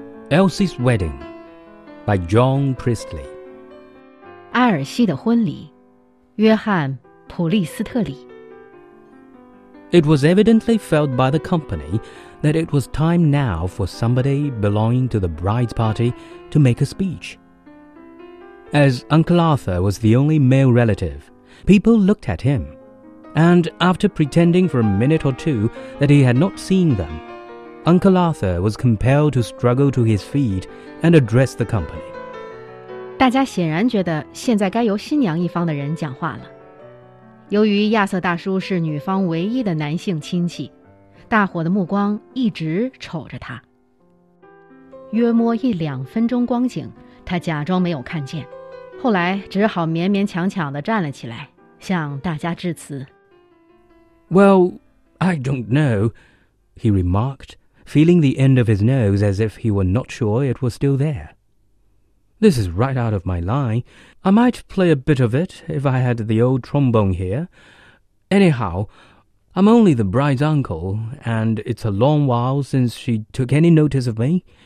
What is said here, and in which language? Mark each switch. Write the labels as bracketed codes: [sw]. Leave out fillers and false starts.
[en] Elsie's Wedding by John Priestley. [zh] 埃尔西的婚礼，约翰·普利斯特里。 [en] It was evidently felt by the company that it was time now for somebody belonging to the bride's party to make a speech. As Uncle Arthur was the only male relative, people looked at him, and after pretending for a minute or two that he had not seen them,Uncle Arthur was compelled to struggle to his feet and address the company. [zh] 大家显然觉得现在该由新娘一方的人讲话了。由于亚瑟大叔是女方唯一的男性亲戚，大伙的目光一直瞅着他。约摸一两分钟光景，他假装没有看见，后来只好勉勉强强地站了起来，向大家致辞。 [en] Well, I don't know, he remarked. Feeling the end of his nose as if he were not sure it was still there. This is right out of my line. I might play a bit of it if I had the old trombone here. Anyhow, I'm only the bride's uncle, and it's a long while since she took any notice of me.